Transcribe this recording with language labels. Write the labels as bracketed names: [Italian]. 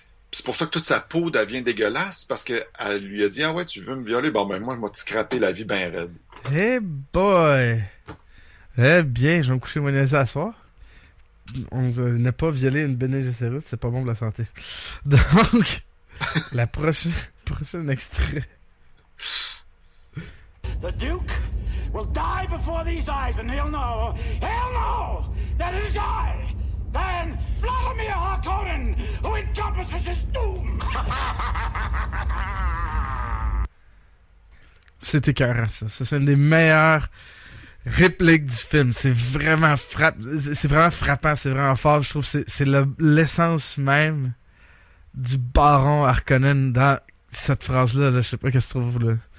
[French] C'est pour ça que toute sa peau devient dégueulasse, parce qu'elle lui a dit « Ah ouais, tu veux me violer? Bon, ben moi, je m'a scrappé la vie ben raide. » [English] Eh hey boy! [French] Eh bien, je vais me coucher mon nez à soir. On n'a pas violé une Bene Gesserit, c'est pas bon pour la santé. Donc, la prochaine extrait. [English] « The Duke will die before these eyes, and he'll know that it is I! » Then Vladimir Harkonnen, who encompasses his doom! [French] C'est écœurant, ça. Ça, c'est une des meilleures répliques du film. C'est vraiment frappant, c'est vraiment fort. Je trouve que c'est l'essence même du baron Harkonnen dans cette phrase-là. Là. Je sais pas qu'est-ce que tu trouves, là.